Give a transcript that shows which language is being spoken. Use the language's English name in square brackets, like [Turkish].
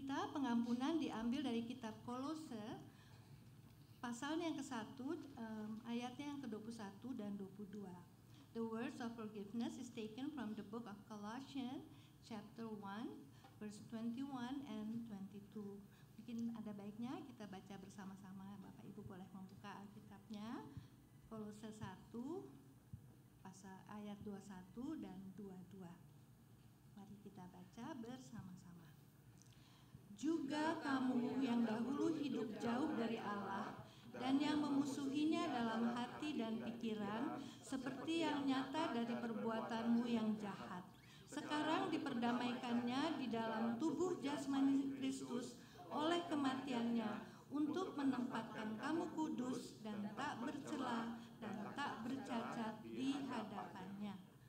[Indonesian] kemungkinan diambil dari kitab Kolose pasalnya yang ke-1 ayatnya yang ke-21 dan 22. [English] The words of forgiveness is taken from the book of Colossians chapter 1 verse 21 and 22. [Indonesian] Mungkin ada baiknya kita baca bersama-sama. Bapak Ibu boleh membuka Alkitabnya Kolose 1 pasal ayat 21 dan 22. Mari kita baca bersama-sama. Juga kamu yang dahulu hidup jauh dari Allah dan yang memusuhinya dalam hati dan pikiran seperti yang nyata dari perbuatanmu yang jahat, sekarang diperdamaikannya di dalam tubuh jasmani Kristus oleh kematiannya untuk menempatkan kamu kudus dan tak bercela dan tak bercacat di hadapannya.